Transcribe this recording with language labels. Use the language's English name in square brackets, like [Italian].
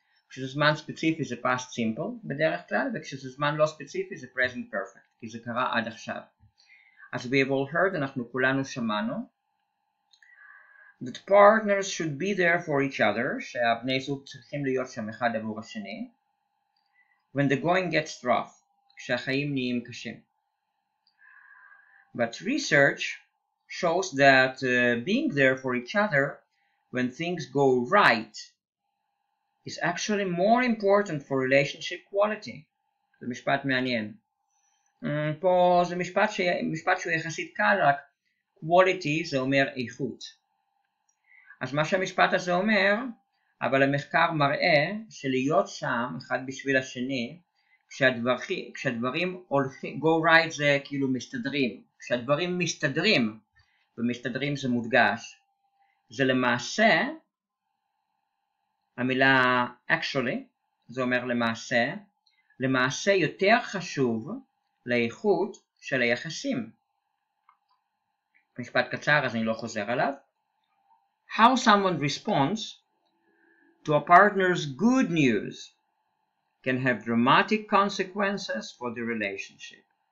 [Hebrew] כשזה זמן ספציפי זה past simple בדרך כלל, וכשזה זמן לא ספציפי זה present perfect, כי זה קרה עד עכשיו. [English] As we have all heard, [Hebrew] אנחנו כולנו שמענו, [English] that partners should be there for each other, [Hebrew] שהבני זוג צריכים להיות שם אחד עבור השני, [English] when the going gets rough, [Hebrew] כשהחיים נהיים קשים. [English] But research shows that being there for each other when things go right is actually more important for relationship quality. [Hebrew] זה משפט מעניין. פה זה משפט, משפט שהוא יחסית קל, רק quality זה אומר איכות. אז מה שהמשפט הזה אומר, אבל המחקר מראה שלהיות שם אחד בשביל השני, כשהדברים הולכים, [English] go right [Hebrew] זה כאילו מסתדרים, כשהדברים מסתדרים, ומסתדרים זה מודגש, זה למעשה, המילה actually, זה אומר למעשה, למעשה יותר חשוב לאיכות של היחסים. משפט קצר, אז אני לא חוזר עליו. [English] How someone responds to a partner's good news can have dramatic consequences for the relationship.